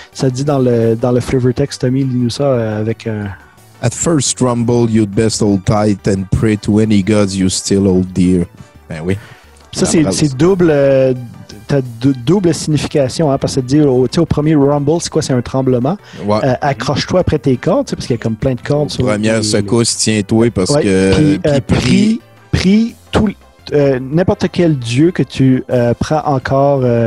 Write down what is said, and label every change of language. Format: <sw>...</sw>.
<fr>Ça dit dans le flavor text, Tommy, lis-nous ça avec un...</fr> <en>At first rumble, you'd best hold tight and pray to any gods you still hold dear.</en> <fr>Ben oui. Ça, c'est double... T'as double signification, hein, parce que dire au premier rumble, c'est quoi? C'est un tremblement. Ouais. Accroche-toi après tes cordes, parce qu'il y a comme plein de cordes. Première secousse, tiens-toi, parce que... Prie n'importe quel dieu que tu prends encore...</fr>